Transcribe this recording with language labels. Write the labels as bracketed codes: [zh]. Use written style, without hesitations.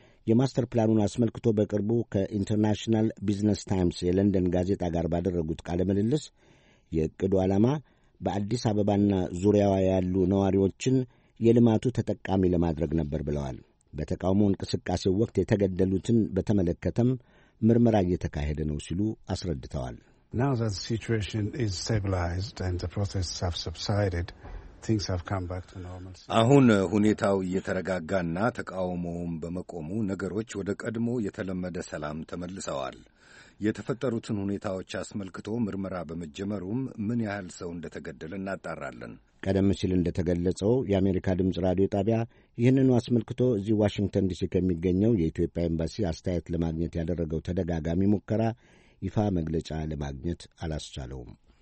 [am] የማስተር ፕላኑን አስመልክቶ በቅርቡ ከኢንተርናሽናል ቢዝነስ ታይምስ የለንደን ጋዜጣ ጋር ባደረጉት ቃለ ምልልስ የእቅዱ ዓላማ በአዲስ አበባና ዙሪያዋ ያሉ ነዋሪዎችን የልማቱ ተጠቃሚ ለማድረግ ነበር ብለዋል። በተቃውሞ እንቅስቃሴው ወቅት የተገደሉትን በተመለከተም ምርመራ እየተካሄደ ነው ሲሉ አስረድተዋል። [en] Now that the situation is stabilized and the protests have subsided, things have come back to normal. [am] አሁን ሁኔታው እየተረጋጋና ተቃውሞውም በመቆሙ ነገሮች ወደ ቀድሞ የተለመደ ሰላም ተመልሰዋል። የተፈጠሩትን ሁኔታዎች አስመልክቶ ምርመራ በመጀመሩም ምን ያህል ሰው እንደተገደለ እናጣራለን። ቀደም ሲል እንደተገለጸው የአሜሪካ ድምጽ ራዲዮ ጣቢያ ይህንን አስመልክቶ እዚ ዋሽንግተን ዲሲ ከሚገኘው የኢትዮጵያ ኤምባሲ አስተያየት ለማግኘት ያደረገው ተደጋጋሚ ሙከራ ይፋ መግለጫ ለማግኘት አላስቻለውም።